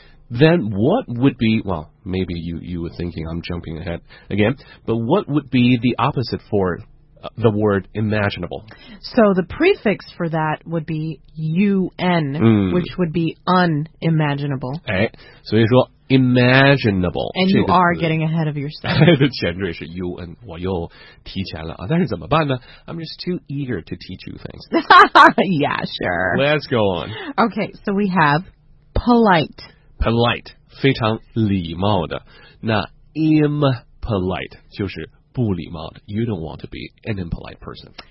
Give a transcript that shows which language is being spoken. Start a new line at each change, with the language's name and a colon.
English: Then what would be, well, maybe you were thinking I'm jumping ahead again, but what would be the opposite for the word imaginable? So the prefix for that would be un, which would be unimaginable.
Chinese: 哎，所以说 imaginable.
English: And you are getting ahead of yourself.
Chinese: 的前缀是 un, 我又提前了啊，但是怎么办呢?
English: I'm just too eager to teach you things. Yeah, sure. Let's go on. Okay, so we have polite.
Chinese: Polite, 非常礼貌的。那 impolite 就是不礼貌的。
English: You don't want to be an impolite person.